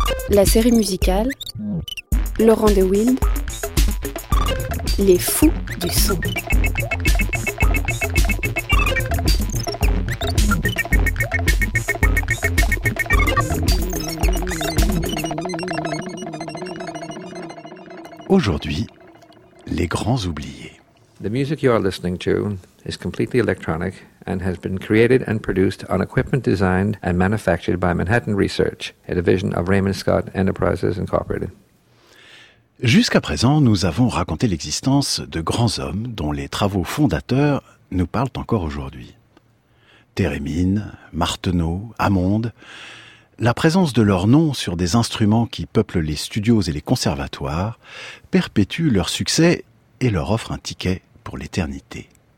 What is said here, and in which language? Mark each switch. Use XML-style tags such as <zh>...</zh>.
<fr>La série musicale Laurent de Wild, Les fous du son. Aujourd'hui, les grands oubliés.</fr> <en>The music you are listening to is completely electronic and has been created and produced on equipment designed and manufactured by Manhattan Research, a division of Raymond Scott Enterprises Incorporated.</en> <fr>Jusqu'à présent, nous avons raconté l'existence de grands hommes dont les travaux fondateurs nous parlent encore aujourd'hui. Thérémine, Marteneau, Amonde, la présence de leurs noms sur des instruments qui peuplent les studios et les conservatoires perpétue leur succès et leur offre un ticket pour l'éternité.</fr>